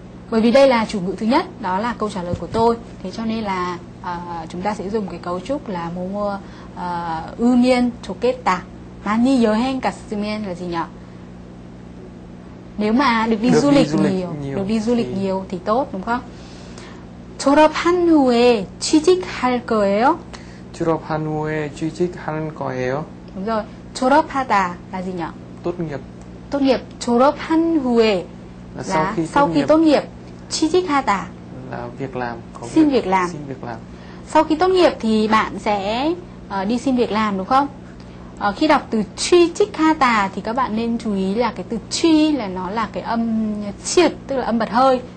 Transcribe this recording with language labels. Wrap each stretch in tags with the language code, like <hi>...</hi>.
<vi>Bởi vì đây là chủ ngữ thứ nhất, đó là câu trả lời của tôi. Thế cho nên là chúng ta sẽ dùng cái cấu trúc là 으면 좋겠다.</vi> <ko>많이 여행 갔으면</ko> <vi>là gì nhỉ? Nếu mà được đi du lịch nhiều, được đi du lịch nhiều thì tốt, đúng không?</vi> <ko>졸업한 후에 취직할 거예요? 졸업한 후에 취직하는 거예요?</ko> <vi>Đúng rồi. 졸업하다 là gì nhỉ? Tốt nghiệp. Tốt nghiệp.</vi> <ko>졸업한 후에</ko> <vi>là sau khi tốt nghiệp. 취직하다 là việc làm. Xin việc làm. Sau khi tốt nghiệp thì bạn sẽ đi xin việc làm, đúng không? Khi đọc từ 취직하다 thì các bạn nên chú ý là cái từ 취 là nó là cái âm triệt, tức là âm bật hơi.</vi>